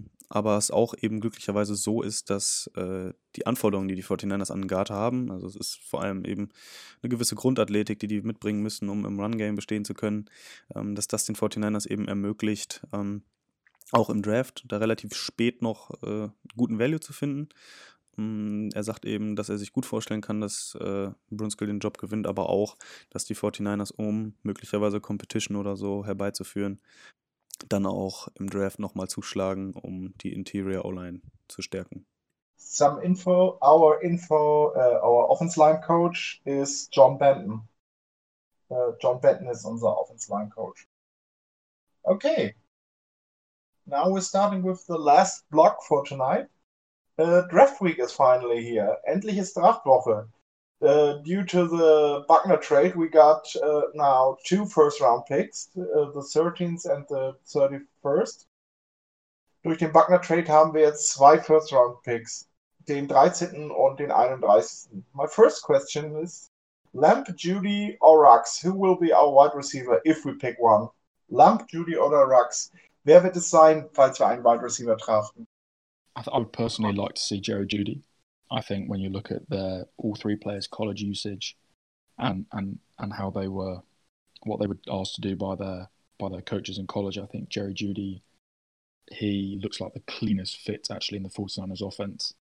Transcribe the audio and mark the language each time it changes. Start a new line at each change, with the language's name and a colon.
German: Aber es auch eben glücklicherweise so ist, dass die Anforderungen, die 49ers an den Guard haben, also es ist vor allem eben eine gewisse Grundathletik, die mitbringen müssen, um im Run-Game bestehen zu können, dass das den 49ers eben ermöglicht, auch im Draft da relativ spät noch guten Value zu finden. Er sagt eben, dass er sich gut vorstellen kann, dass Brunskill den Job gewinnt, aber auch, dass die 49ers, um möglicherweise Competition oder so herbeizuführen, dann auch im Draft nochmal zuschlagen, um die Interior O-Line zu stärken.
English: Some info, our info, our offense line coach is John Benton.
German: John Benton ist unser offense line coach. Okay.
English: Now we're starting with the last block for tonight. Draft week is finally here.
German: Endlich ist Draftwoche.
English: Due to the Buckner trade, we got now two first-round picks, the 13th and the 31st.
German: Durch den Buckner trade haben wir jetzt zwei first-round picks, den 13. und den 31.
English: My first question is, Lamb, Judy or Rux? Who will be our wide receiver if we pick one?
German: Lamb, Judy oder Rux? Wer wird es sein, falls wir einen wide receiver draften?
English: I would personally like to see Jerry Judy. I think when you look at their all three players' college usage and how they were, what they were asked to do by their coaches in college, I think Jerry Judy, he looks like the cleanest fit actually in the 49ers offense.